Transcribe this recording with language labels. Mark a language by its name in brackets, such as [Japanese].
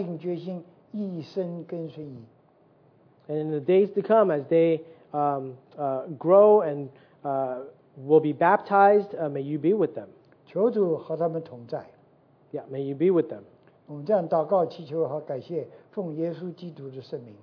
[Chinese] 认识你，将来进到一个这个受洗班上，求你让他们下定决心，一生跟随你。 [English] And in the days to come, as they grow and will be baptized, may you be with them. [Chinese] 求主和他们同在。Yeah, [English] may you be with them. [Chinese] 我们这样祷告、祈求和感谢，奉耶稣基督的圣名。